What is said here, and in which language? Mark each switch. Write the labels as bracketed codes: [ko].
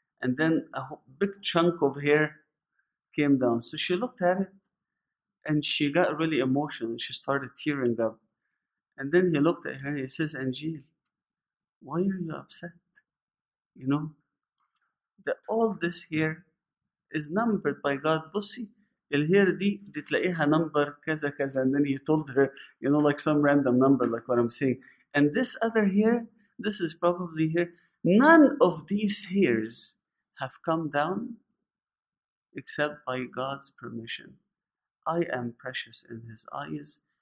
[en] And then a big chunk of hair came down. So she looked at it and she got really emotional. She started tearing up. And then he looked at her and he says, Angel, why are you upset? You know, that all this hair is numbered by God. [ar] بصي, الهير دي تلاقيها number كذا كذا. [en] And then he told her, you know, like some random number, like what I'm saying. And this other hair, this is probably here. None of these hairs have come down except by God's permission. I am precious in his eyes.